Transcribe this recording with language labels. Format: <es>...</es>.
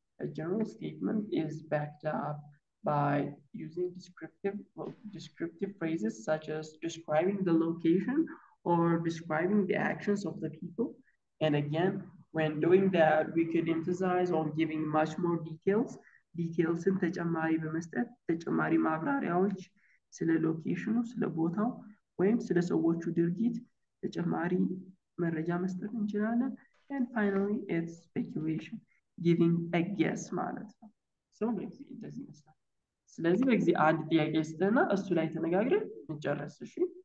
<en>A general statement is backed up by using descriptive phrases such as describing the location or describing the actions of the people. And again, when doing that, we could emphasize on giving much more details. Details in</en> <am>ተጨማሪ በመስጠት ተጨማሪ ማብራሪያዎች ስለ ሎኬሽኑ ስለ ቦታው ወይም ስለ ሰዎቹ ድርጊት ተጨማሪ መረጃ መስጠት እንችላለን.</am> <en>And finally, it's speculation, giving a guess</en> <am>ማለት ነው.</am> <en>So maybe it doesn't matter.</en> <am>ስለዚህ በግዚ አንድ ጥያቄ ስለና እሱ ላይ ተነጋግረን እንጨርስ እሺ</am>